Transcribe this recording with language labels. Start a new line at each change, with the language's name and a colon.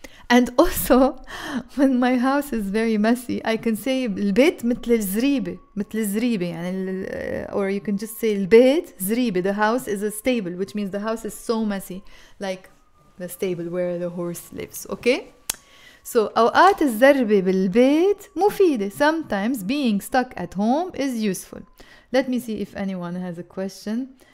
English: And also, when my house is very messy, I can say
Arabic: البيت مثل الزريبة. مثل الزريبة.
English: يعني or you can just say
Arabic: البيت زريبة.
English: The house is a stable, which means the house is so messy. Like the stable where the horse lives. Okay?
Arabic: So, أوقات الزربة بالبيت مفيدة.
English: Sometimes being stuck at home is useful. Let me see if anyone has a question.